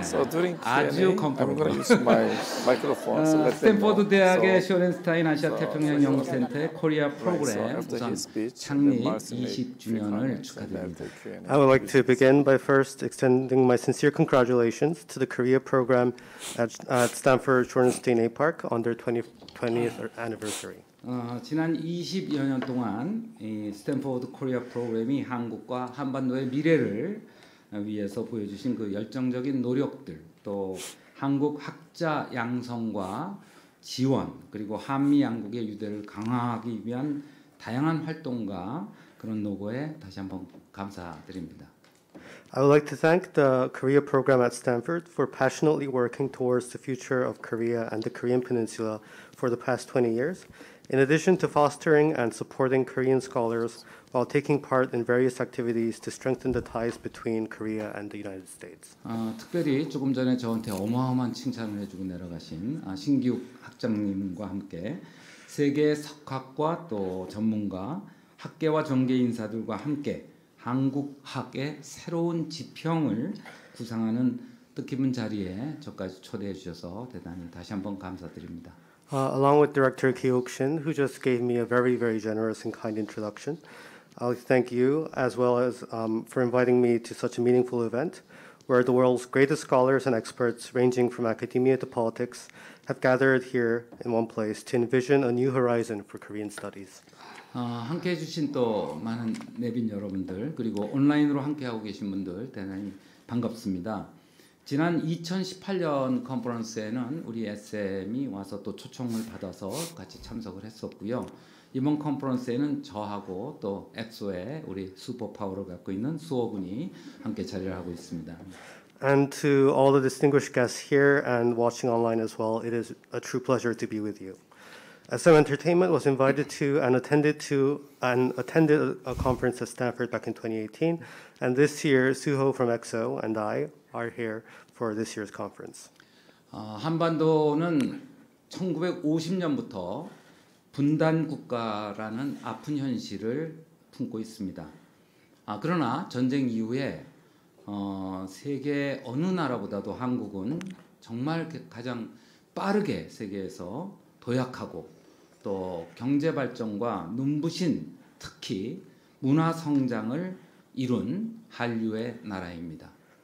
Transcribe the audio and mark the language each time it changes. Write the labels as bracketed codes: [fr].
[en] So during Q&A, I'm going to use my microphone. [ko] Stanford 대학의 쇼렌스타인 아시아 태평양 연구센터의 코리아 프로그램 우선 창립 20주년을 축하드립니다. [en] I would like to begin by first extending my sincere congratulations to the Korea program at Stanford Shorenstein A Park on their 20th anniversary. [ko] 지난 20여 년 동안 스탠포드 코리아 프로그램이 한국과 한반도의 미래를 위해서 보여주신 그 열정적인 노력들, 또 한국 학자 양성과 지원, 그리고 한미 양국의 유대를 강화하기 위한 다양한 활동과 그런 노고에 다시 한번 감사드립니다. [en] I would like to thank the Korea program at Stanford for passionately working towards the future of Korea and the Korean Peninsula for the past 20 years, in addition to fostering and supporting Korean scholars while taking part in various activities to strengthen the ties between Korea and the United States. [ko] 특별히 조금 전에 저한테 어마어마한 칭찬을 해주고 내려가신 신기욱 학장님과 함께 세계 석학과 또 전문가, 학계와 정계 인사들과 함께 한국학의 새로운 지평을 구상하는 뜻깊은 자리에 저까지 초대해 주셔서 대단히 다시 한번 감사드립니다. [en] Along with Director Ki-Hook Shin, who just gave me a very, very generous and kind introduction, I'd like to thank you as well as for inviting me to such a meaningful event where the world's greatest scholars and experts ranging from academia to politics have gathered here in one place to envision a new horizon for Korean studies. [ko] 함께 해주신 또 많은 내빈 여러분들 그리고 온라인으로 함께하고 계신 분들 대단히 반갑습니다. 지난 2018년 컨퍼런스에는 우리 SM이 와서 또 초청을 받아서 같이 참석을 했었고요. 이번 컨퍼런스에는 저하고 또 엑소의 우리 슈퍼파워를 갖고 있는 수호군이 함께 자리를 하고 있습니다. [en] And to all the distinguished guests here and watching online as well, it is a true pleasure to be with you. SM Entertainment was invited to and attended a conference at Stanford back in 2018. And this year, Suho from EXO and I are here for this year's conference. [ko] 한반도는 1950년부터 분단 국가라는 아픈 현실을 품고 있습니다. 그러나 전쟁 이후에 세계 어느 나라보다도 한국은 정말 가장 빠르게 세계에서 도약하고 또 경제 발전과 눈부신 특히 문화 성장을 이룬 한류의 나라입니다.